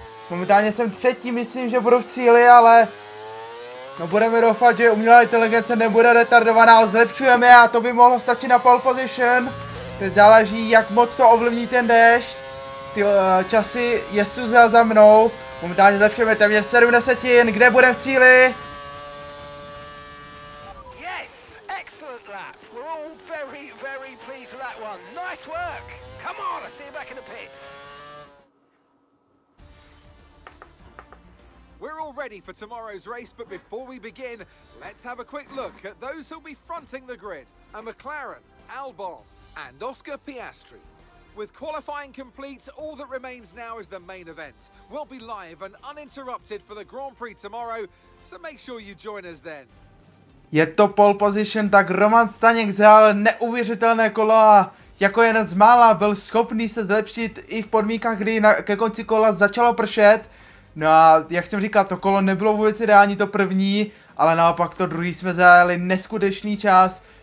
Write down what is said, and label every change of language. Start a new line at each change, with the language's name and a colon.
Czech: Momentálně jsem třetí, myslím, že budu v cíli, ale no budeme doufat, že umělá inteligence nebude retardovaná, ale zlepšujeme a to by mohlo stačit na pole position. Teď záleží, jak moc to ovlivní ten déšť. Ty časy jezdců za mnou. Momentálně zlepšujeme téměř 7 desetin, kde budeme v cíli?
English: Yes, excellent lap. We're all very, very pleased with that one. Nice work. Come on, I'll see you back in the pits. We're all ready for tomorrow's race, but before we begin, let's have a quick look at those who'll be fronting the grid. A McLaren, Albon, and Oscar Piastri. With qualifying complete, all that remains now is the main event. We'll be live and uninterrupted for the Grand Prix tomorrow, so make sure you join us then.
Czech: Je to pole position, tak Roman Staněk vzal neuvěřitelné kolo a jako jeden z mála byl schopný se zlepšit i v podmínkách, kdy ke konci kola začalo pršet. No a jak jsem říkal, to kolo nebylo vůbec ideální, to první, ale naopak to druhý jsme zajeli neskutečný čas.